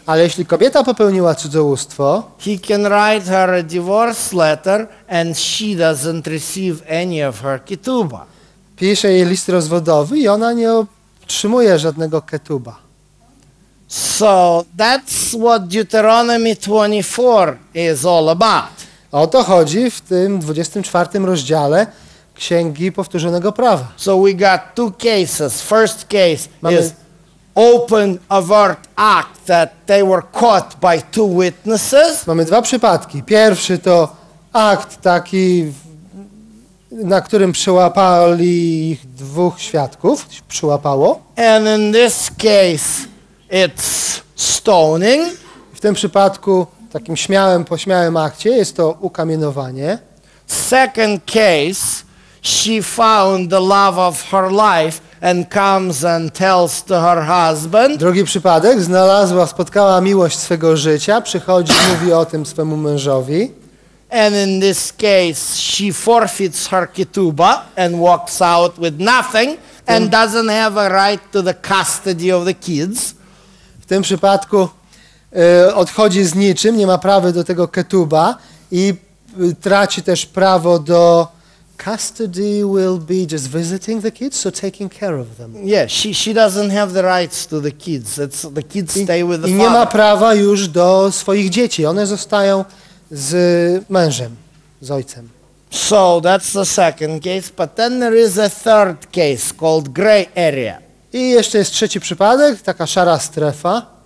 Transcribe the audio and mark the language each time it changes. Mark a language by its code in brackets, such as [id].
[pl] ale jeśli kobieta popełniła cudzołóstwo, [en] he can write her a divorce letter and she doesn't receive any of her kituba. [pl] Pisze jej list rozwodowy i ona nie otrzymuje żadnego ketuba. [en] So that's what Deuteronomy 24 is all about. [pl] O to chodzi w tym 24 rozdziale Księgi Powtórzonego Prawa. [en] So we got two cases. First case is open overt act that they were caught by two witnesses. [pl] Mamy dwa przypadki. Pierwszy to akt taki, na którym przyłapali ich dwóch świadków, przyłapało. [en] And in this case it's stoning. [pl] W tym przypadku, takim śmiałym, pośmiałym akcie, jest to ukamienowanie. [en] Second case, she found the love of her life and comes and tells to her husband. [pl] Drugi przypadek, znalazła, spotkała miłość swego życia, przychodzi i mówi o tym swemu mężowi. [en] And in this case she forfeits her kituba and walks out with nothing and doesn't have a right to the custody of the kids. [pl] W tym przypadku odchodzi z niczym, nie ma prawa do tego ketuba i traci też prawo do [en] custody will be just visiting the kids, so taking care of them. Yeah, she doesn't have the rights to the kids. It's the kids stay with the father. [pl] I nie ma prawa już do swoich dzieci. One zostają z mężem. z Ojcem. [en] So that's the second case, but then there is a third case called gray area. [pl] I jeszcze jest trzeci przypadek, taka szara strefa.